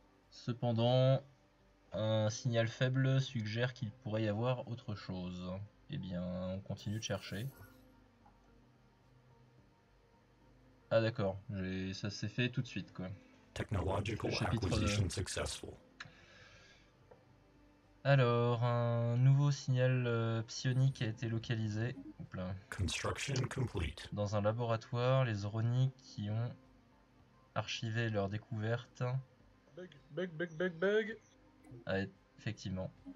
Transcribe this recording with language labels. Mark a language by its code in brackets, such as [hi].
[fr] Cependant, un signal faible suggère qu'il pourrait y avoir autre chose. Eh bien, on continue de chercher. Ah d'accord, ça s'est fait tout de suite, quoi. [en] Technological acquisition successful. [fr] Alors, un nouveau signal psionique a été localisé. Oupla. [en] Construction complete. [fr] Dans un laboratoire, les Zroni qui ont archivé leur découverte. Bug. Ah, effectivement.